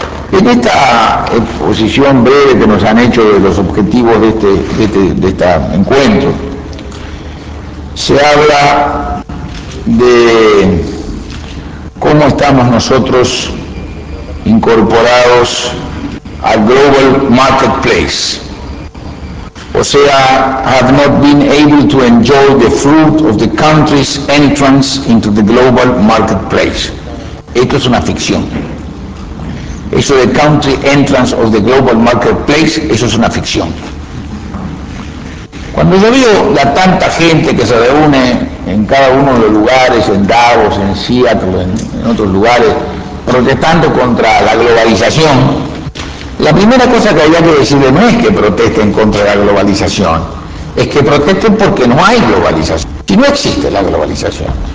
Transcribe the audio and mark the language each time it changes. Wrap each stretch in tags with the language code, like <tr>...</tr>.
<es>En esta exposición breve que nos han hecho de los objetivos de este encuentro, se habla de cómo estamos nosotros incorporados al Global Marketplace.</es> <en>O sea, have not been able to enjoy the fruit of the country's entrance into the Global Marketplace.</en> <es>Esto es una ficción. Eso de</es> <en>country entrance of the global marketplace,</en> <es>eso es una ficción. Cuando yo veo la tanta gente que se reúne en cada uno de los lugares, en Davos, en Seattle, en otros lugares, protestando contra la globalización, la primera cosa que había que decirle no es que protesten contra la globalización, es que protesten porque no hay globalización, si no existe la globalización.</es>